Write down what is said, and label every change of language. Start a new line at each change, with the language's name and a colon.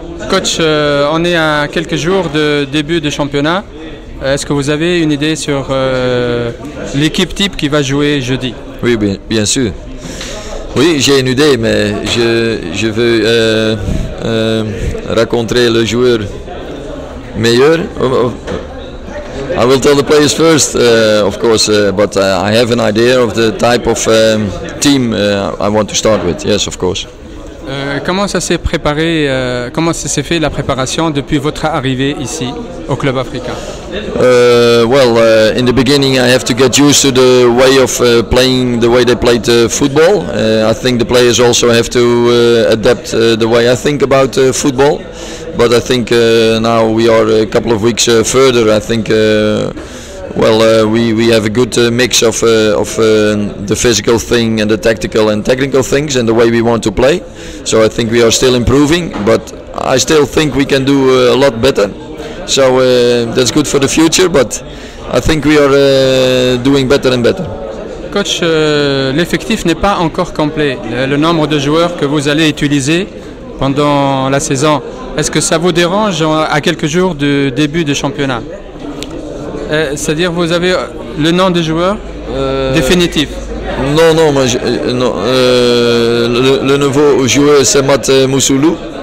French: Coach, on est à quelques jours de début de championnat. Est-ce que vous avez une idée sur l'équipe type qui va jouer jeudi? Oui, bien sûr. Oui, j'ai une idée, mais je veux rencontrer le joueur meilleur.
English: I will tell the players first, of course, but I have an idea of the type of team I want to start with. Yes, of course.
French: Comment ça s'est préparé, comment ça s'est fait la préparation depuis votre arrivée ici au Club Africa?
English: In the beginning I have to get used to the way of playing, the way they played football. I think the players also have to adapt the way I think about football. But I think now we are a couple of weeks further. I think we have a good mix of the physical thing and the tactical and technical things and the way we want to play. So I think we are still improving, but I still think we can do a lot better. So that's good for the future, but I think we are doing better and better.
French: Coach, l'effectif n'est pas encore complet. Le nombre de joueurs que vous allez utiliser pendant la saison, est-ce que ça vous dérange à quelques jours du début de championnat? C'est-à-dire vous avez le nom des joueurs définitif? Non, moi, le nouveau joueur c'est Matt Moussoulou.